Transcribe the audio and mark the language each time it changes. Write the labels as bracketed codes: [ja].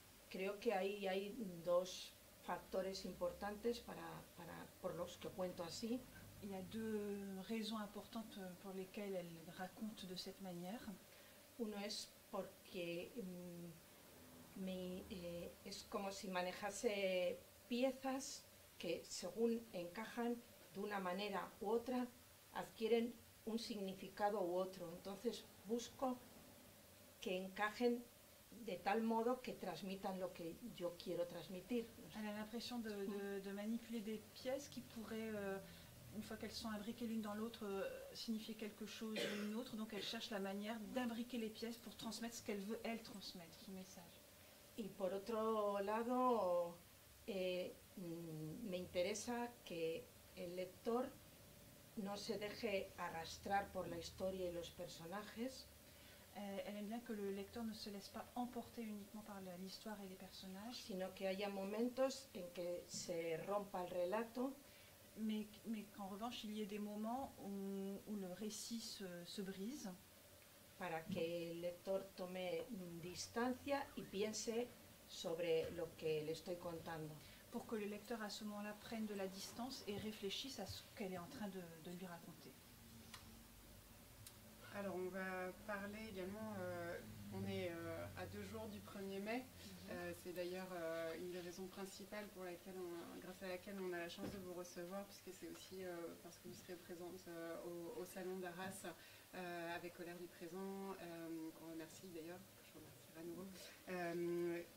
[es] Creo que ahí hay dos factores importantes para por los que cuento así. [fr] Il y a deux raisons importantes pour lesquelles elle raconte de cette manière. [es] Uno es porque es como si manejase piezas que según encajan de una manera u otra adquieren un significado u otro. Entonces busco que encajen de tal modo que transmitan lo que yo quiero transmitir. [fr] Elle a l'impression de manipuler des pièces qui pourraient, une fois qu'elles sont imbriquées l'une dans l'autre, signifier quelque chose ou une autre. Donc elle cherche la manière d'imbriquer les pièces pour transmettre ce qu'elle veut, elle, transmettre, son message. [es] Et por otro lado, me interesa que el lector no se deje arrastrar por la historia y los personajes. [fr] Elle aime bien que le lecteur ne se laisse pas emporter uniquement par l'histoire et les personnages, [es] sino que haya momentos en que se rompa el relato, [fr] mais qu'en revanche il y ait des moments où le récit se brise, [es] para que el lector tome distancia y piense sobre lo que le estoy contando. [fr] Pour que le lecteur à ce moment-là prenne de la distance et réfléchisse à ce qu'elle est en train de lui raconter. Alors on va parler également, on est à deux jours du 1er mai, c'est d'ailleurs une des raisons principales grâce à laquelle on a la chance de vous recevoir, puisque c'est aussi parce que vous serez présente au Salon d'Arras avec Colère du Présent, qu'on remercie d'ailleurs, je vous remercie à nouveau.